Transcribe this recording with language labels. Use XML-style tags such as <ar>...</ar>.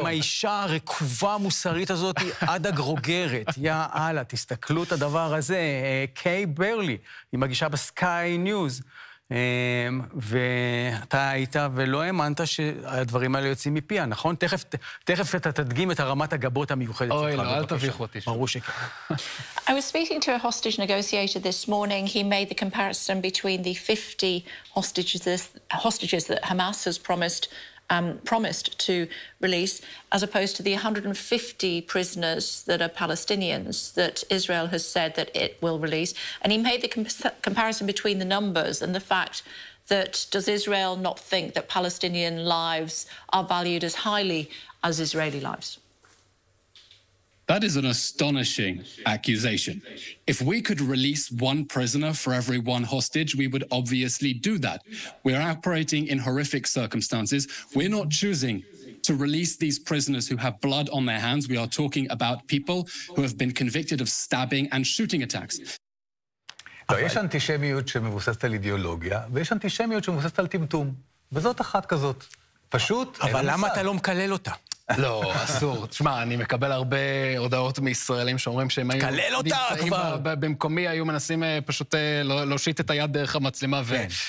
<he>עם האישה הרקובה המוסרית הזאת עד הגרוגרת. יא אללה, תסתכלו את הדבר הזה. קיי ברלי, היא מגישה בסקיי ניוז. ואתה היית ולא האמנת שהדברים האלה יוצאים מפיה, נכון? תכף אתה תדגים את הרמת הגבות המיוחדת. אוי, לא, אל תביך אותי. ברור שכן.</he> <en>I was speaking to a hostage negotiator this morning. He made the comparison between the 50 hostages that Hamas has promised to release, as opposed to the 150 prisoners that are Palestinians that Israel has said that it will release. And he made the comparison between the numbers and the fact that does Israel not think that Palestinian lives are valued as highly as Israeli lives? That is an astonishing accusation. If we could release one prisoner for every one hostage, we would obviously do that. We're operating in horrific circumstances. We're not choosing to release these prisoners who have blood on their hands. We are talking about people who have been convicted of stabbing and shooting attacks.</en> <he>יש אנטישמיות שמבוססת על אידיאולוגיה, ויש אנטישמיות שמבוססת על טמטום. וזאת אחת כזאת. פשוט. אבל למה אתה לא מקלל אותה? לא, אסור. תשמע, אני מקבל הרבה הודעות מישראלים שאומרים שהם היו... תקלל אותה כבר! במקומי היו מנסים פשוט להושיט את היד דרך המצלמה ו...</he>